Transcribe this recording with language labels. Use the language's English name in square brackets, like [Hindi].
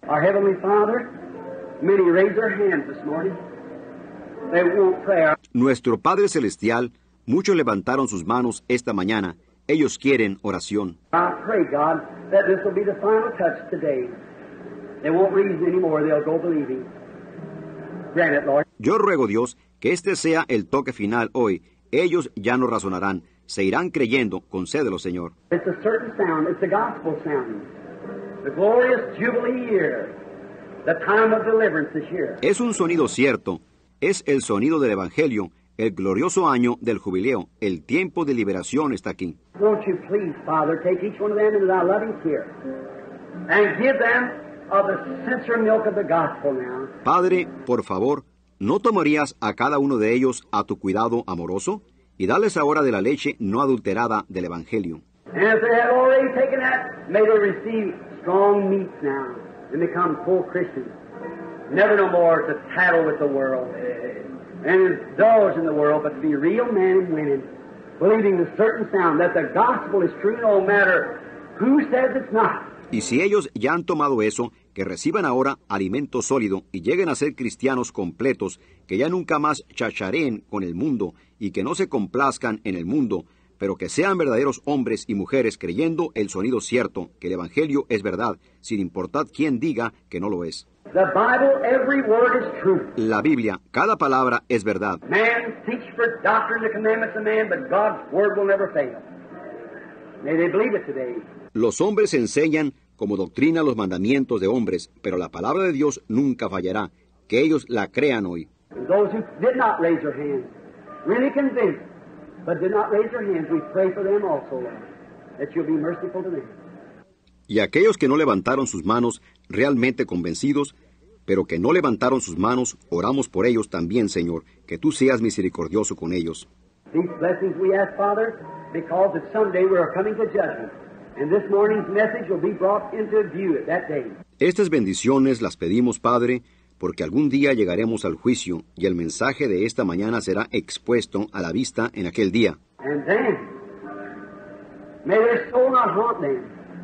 [English] Our Heavenly Father, many raise their hands this morning. They want prayer. [Spanish] Nuestro Padre Celestial, muchos levantaron sus manos esta mañana. Ellos quieren oración. [English] I pray, God, that this will be the final touch today. They won't reason anymore. They'll go believing. Grant it, Lord. [Spanish] Yo ruego, Dios, que este sea el toque final hoy. Ellos ya no razonarán. Se irán creyendo. Concédelo, Señor. [English] It's a certain sound. It's a gospel sound. The glorious jubilee year. The time of deliverance is here. [Spanish] Es un sonido cierto. Es el sonido del Evangelio, el glorioso año del jubileo. El tiempo de liberación está aquí. [English] Won't you please, Father, take each one of them into thy loving care and give them of the sincere milk of the gospel now. [Spanish] Padre, por favor, ¿no tomarías a cada uno de ellos a tu cuidado amoroso? Y dales ahora de la leche no adulterada del Evangelio. [English] And if they have already taken that, may they receive strong meat now and become full Christians. Never no more to tattle with the world and indulge in the world, but to be real men and women, believing the certain sound that the gospel is true no matter who says it's not. [Spanish] Y si ellos ya han tomado eso, que reciban ahora alimento sólido y lleguen a ser cristianos completos, que ya nunca más chachareen con el mundo y que no se complazcan en el mundo, pero que sean verdaderos hombres y mujeres creyendo el sonido cierto, que el Evangelio es verdad, sin importar quién diga que no lo es. [English] The Bible, every word is truth. [Spanish] La Biblia, cada palabra es verdad. [English] Man teaches for doctrine the commandments of man, but God's word will never fail. May they believe it today. [Spanish] Los hombres enseñan como doctrina los mandamientos de hombres, pero la palabra de Dios nunca fallará. Que ellos la crean hoy. [English] Those who did not raise their hands, really convinced, but did not raise their hands, we pray for them also, Lord, that you'll be merciful to them. [Spanish] Y aquellos que no levantaron sus manos, realmente convencidos, pero que no levantaron sus manos, oramos por ellos también, Señor, que tú seas misericordioso con ellos. [English] These blessings we ask, Father, because that someday we are coming to judgment, and this morning's message will be brought into view at that day. [Spanish] Estas bendiciones las pedimos, Padre, porque algún día llegaremos al juicio, y el mensaje de esta mañana será expuesto a la vista en aquel día. [English] And then, may their soul not haunt them.